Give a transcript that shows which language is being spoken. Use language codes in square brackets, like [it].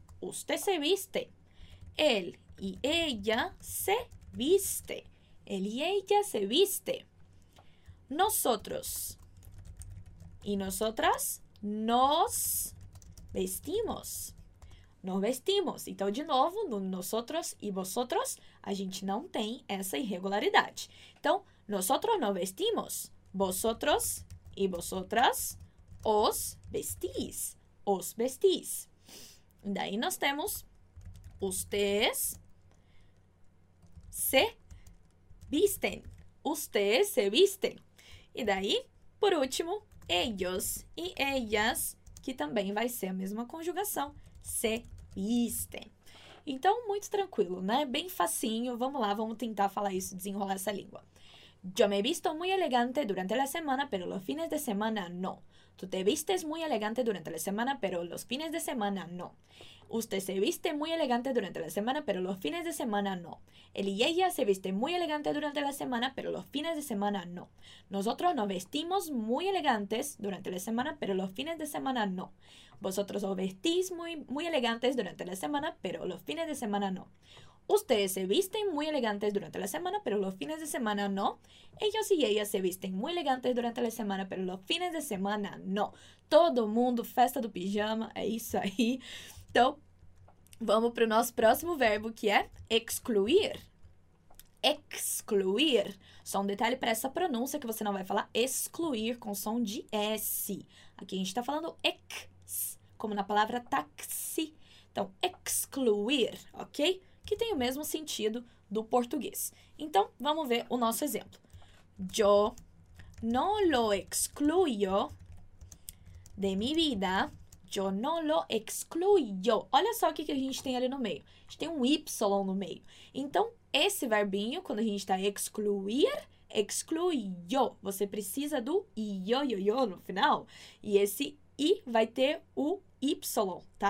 [es] Usted se viste. Él y ella se viste. Él y ella se viste. Nosotros y nosotras nos vestimos. Nos vestimos. [pt] Então, de novo, no nosotros e vosotros, a gente não tem essa irregularidade. [es] Então, nosotros nos vestimos. Vosotros e vosotras os vestis. Os vestis. [pt] Daí nós temos [es] ustedes se visten. Ustedes se visten. [pt] E daí, por último, ellos e ellas, que também vai ser a mesma conjugação. [es] Se visten. [pt] Então, muito tranquilo, né? Bem facinho. Vamos lá, vamos tentar falar isso, desenrolar essa língua. [es] Yo me he visto muy elegante durante la semana, pero los fines de semana no. Tú te vistes muy elegante durante la semana, pero los fines de semana no. Usted se viste muy elegante durante la semana, pero los fines de semana no. Él y ella se viste muy elegante durante la semana, pero los fines de semana no. Nosotros nos vestimos muy elegantes durante la semana, pero los fines de semana no. Vosotros os vestís muy elegantes durante la semana, pero los fines de semana no. Ustedes se visten muy elegantes durante la semana, pero los fines de semana no. Ellos y ellas se visten muy elegantes durante la semana, pero los fines de semana no. [pt] Todo mundo, festa do pijama, é isso aí. Então, vamos para o nosso próximo verbo, que é excluir. excluir. Só um detalhe para essa pronúncia que você não vai falar excluir com som de S. Aqui a gente está falando ex, como na palavra táxi. Então, excluir, ok? Que tem o mesmo sentido do português. Então, vamos ver o nosso exemplo. [es] Yo no lo excluyo de mi vida. Yo no lo excluyo. [pt] Olha só o que a gente tem ali no meio. A gente tem um Y no meio. Então, esse verbinho, quando a gente está excluir, excluyo. Você precisa do io no final. E esse I vai ter o Y, tá?